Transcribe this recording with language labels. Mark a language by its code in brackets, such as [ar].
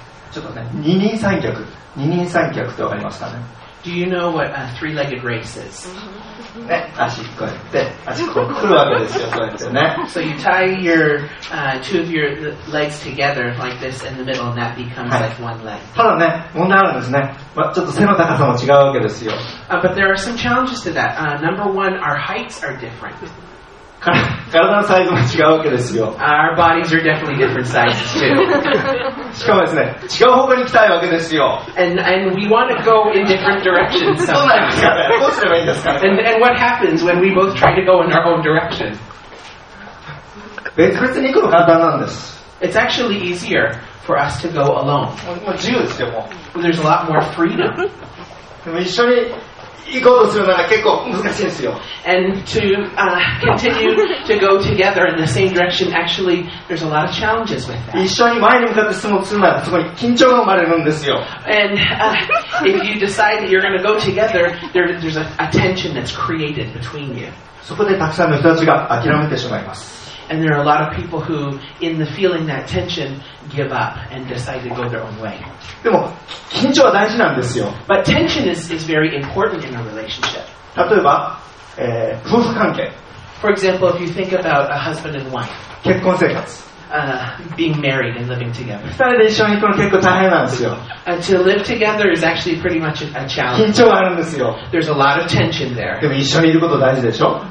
[ja] ちょっとね、二人三脚ってわかりますかね。 [en] Do you know what a three-legged race is? [ja] ね、足こうやって、足こう来るわけですよ、そうですよね。 [en] So you tie your, two of your legs together like this in the middle, and that becomes、はい、like one leg. [ja] ただね、問題あるんですね。まあ、ちょっと背の高さも違うわけですよ。 [en] But there are some challenges to that. Number one, our heights are different. [ja] 体のサイズも違うわけですよ。 [en] Our bodies are definitely different sizes too. [ja] しかもですね、違う方向に行きたいわけですよ。 [en] And we want to go in different directions. [ja] どうなんですかね。どうすればいいんですかね。 [en] And what happens when we both try to go in our own direction? [ja] 別々に行くの簡単なんです。 [en] It's actually easier for us to go alone. [ja] もう自由ですよ、もう。 [en] There's a lot more freedom. [ja] でも一緒に行こうとするなら結構難しいんですよ。 [en] And to continue to go together in the same direction, actually there's a lot of challenges with that. [ja] 一緒に前に向かって進もうとするならそこに緊張が生まれるんですよ。 [en] And if you decide that you're going to go together, there's a tension that's created between you. [ja] そこでたくさんの人たちが諦めてしまいます。 [en] And there are a lot of people who, in the feeling that tension, give up and decide to go their own way. [ja] でも緊張は大事なんですよ。 [en] But tension is very important in a relationship. [ja] 例えば、夫婦関係。 [en] For example, if you think about a husband and wife. [ja] 結婚生活。 [en] Being married and living together. [ja] 二人で一緒に行くの結構大変なんですよ。 [en] To live together is actually pretty much a challenge. [ja] 緊張があるんですよ。 [en] There's a lot of tension there. [ja] でも一緒にいること大事でしょ。